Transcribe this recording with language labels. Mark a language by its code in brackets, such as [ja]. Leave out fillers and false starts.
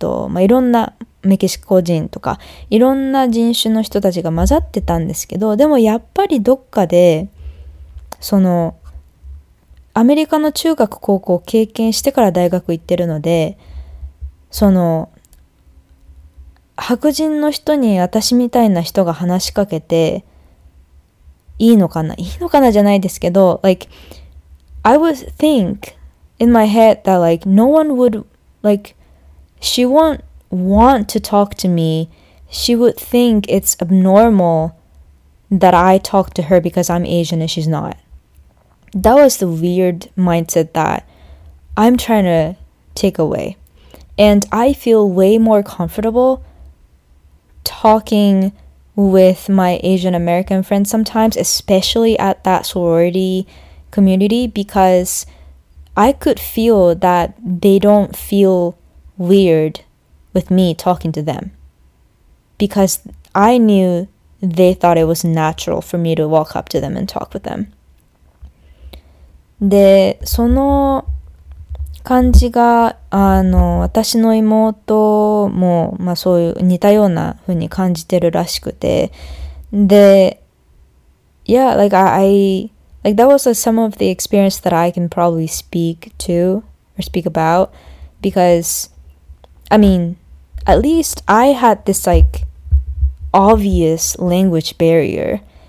[ja] まあ、いろんな、メキシコ人とか、いろんな人種の人たちが混ざってたんですけど、でも、やっぱりどっかで、アメリカの中学、高校を経験してから大学行ってるので、白人の人に私みたいな人が話しかけていいのかな？いいのかなじゃないですけど、 [en] like, I would think in my head that, like, no one would, like, she won't want to talk to me. she would think it's abnormal that I talk to her because I'm Asian and she's not. That was the weird mindset that I'm trying to take away. And I feel way more comfortable talking with my Asian American friends sometimes, especially at that sorority community, because I could feel that they don't feel weird with me talking to them. Because I knew they thought it was natural for me to walk up to them and talk with them. [ja] で、その感じが、私の妹も、まあそういう似たような風に感じてるらしくて。 [en] で、Yeah, like like that was some of the experience that I can probably speak to or speak about. Because, I mean, at least I had this like obvious language barrier.